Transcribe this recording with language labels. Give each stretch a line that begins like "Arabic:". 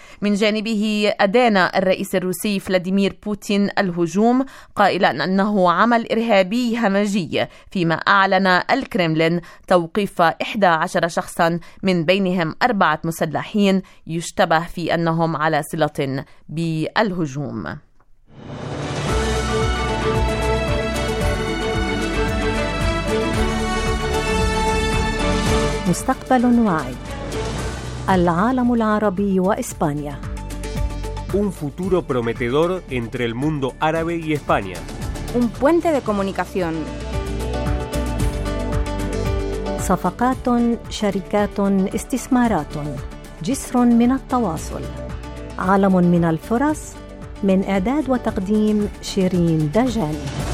Arabic: من جانبه أدان الرئيس الروسي فلاديمير بوتين الهجوم قائلا أنه عمل إرهابي همجي، فيما أعلن الكريملين توقيف 11 شخصا من بينهم 4 مسلحين يشتبه في أنهم على صلة بالهجوم. مستقبل واعي. العالم العربي وإسبانيا.
Spanish: Un futuro prometedor entre el mundo árabe y España. Un puente de comunicación.
Arabic: صفقات، شركات، استثمارات، جسر من التواصل، عالم من الفرص. من إعداد وتقديم شيرين دجاني.